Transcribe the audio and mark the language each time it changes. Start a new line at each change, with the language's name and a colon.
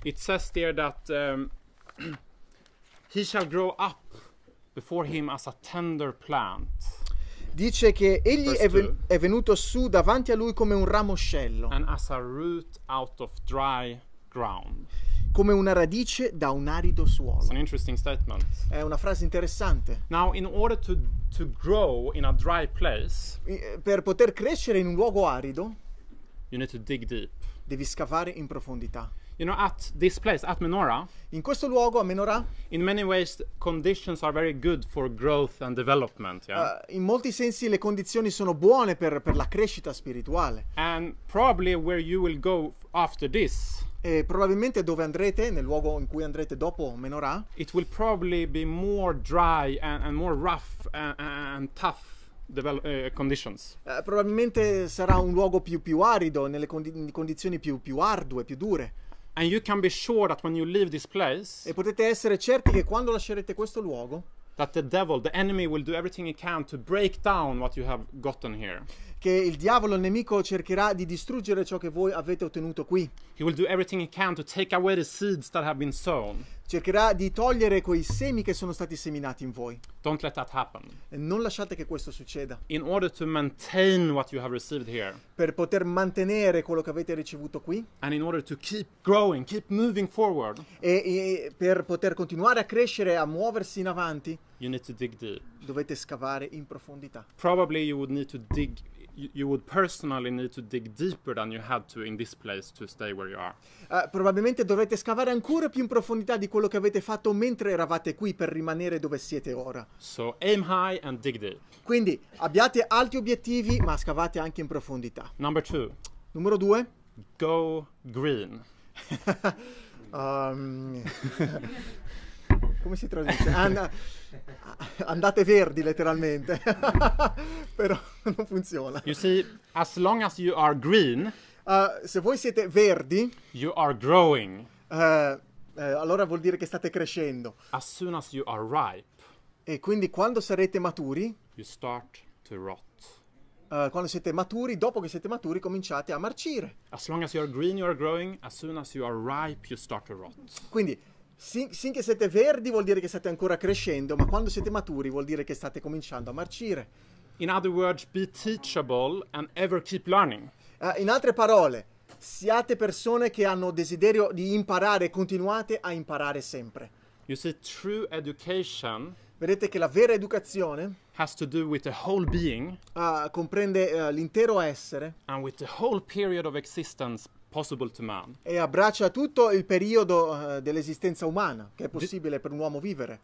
English: It says there that he shall grow up before him as a tender plant.
Italian: Dice che egli è venuto su davanti a lui come un ramoscello.
English: And as a root out of dry ground.
Italian: Come una radice da un arido suolo.
English: It's an interesting statement.
Italian: È una frase interessante.
English: Now, in order to grow in a dry place,
Italian: per poter crescere in un luogo arido,
English: you need to dig deep.
Italian: Devi scavare in profondità.
English: You know, at this place, at Menorah,
Italian: in questo luogo, a Menorah,
English: in many ways, conditions are very good for growth and development. Yeah?
Italian: In molti sensi, le condizioni sono buone per la crescita spirituale.
English: And probably where you will go after this,
Italian: e probabilmente dove andrete, nel luogo in cui andrete dopo Menorah,
English: it will probably be more dry and more rough and tough. Conditions.
Italian: Probabilmente sarà un luogo più arido, nelle condizioni più ardue, più dure.
English: And you can be sure that when you leave this place,
Italian: e potete essere certi che quando lascerete questo luogo,
English: that the devil, the enemy, will do everything he can to break down what you have gotten here.
Italian: Che il diavolo, il nemico, cercherà di distruggere ciò che voi avete ottenuto qui.
English: He will do everything he can to take away the seeds that have been sown.
Italian: Cercherà di togliere quei semi che sono stati seminati in voi.
English: Don't let that happen.
Italian: Non lasciate che questo succeda.
English: In order to maintain what you have received here.
Italian: Per poter mantenere quello che avete ricevuto qui.
English: And in order to keep growing, keep moving forward.
Italian: E per poter continuare a crescere, a muoversi in avanti.
English: You need to dig deep.
Italian: Dovete scavare in profondità.
English: Probably you would need to dig. You would personally need to dig deeper than you had to in this place to stay where you are.
Italian: Probabilmente dovrete scavare ancora più in profondità di quello che avete fatto mentre eravate qui per rimanere dove siete ora.
English: So aim high and dig deep.
Italian: Quindi abbiate alti obiettivi, ma scavate anche in profondità.
English: Number two.
Italian: Numero due.
English: Go green.
Italian: Come si traduce? Andate verdi, letteralmente. Però non funziona.
English: You see, as long as you are green,
Italian: se voi siete verdi,
English: you are growing.
Italian: Allora vuol dire che state crescendo.
English: As soon as you are ripe,
Italian: e quindi quando sarete maturi,
English: you start to rot.
Italian: Quando siete maturi, dopo che siete maturi, cominciate a marcire.
English: As long as you are green, you are growing. As soon as you are ripe, you start to rot.
Italian: Quindi sin che siete verdi vuol dire che state ancora crescendo, ma quando siete maturi vuol dire che state cominciando a marcire.
English: In other words, be teachable and ever keep learning.
Italian: In altre parole, siate persone che hanno desiderio di imparare, continuate a imparare sempre.
English: You see, true education,
Italian: vedete che la vera educazione,
English: has to do with the whole being,
Italian: comprende l'intero essere,
English: and with the whole period of existence possible to man.
Italian: E abbraccia tutto il periodo dell'esistenza umana che è possibile per un uomo vivere.